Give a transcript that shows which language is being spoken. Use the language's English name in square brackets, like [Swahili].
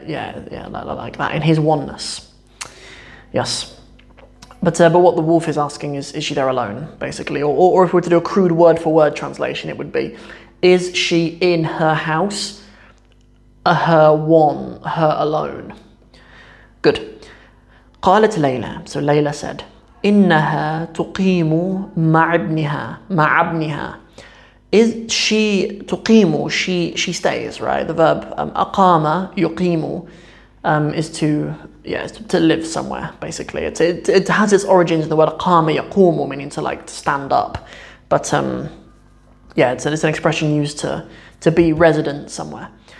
[English] Yeah, like that, in his oneness. Yes. But what the wolf is asking is she there alone, basically? Or if we were to do a crude word for word translation, it would be, is she in her house, her one, her alone? Good. [Arabic] قالت ليلى. [English] So Layla said, [Arabic] إنها تقيم مع ابنها. مع ابنها. [English] Is she [Arabic] تقيم? [English] She stays, right? The verb أقام يقيم is to live somewhere, basically. It has its origins in the word أقام يقوم, meaning to like to stand up. But it's an expression used to be resident somewhere.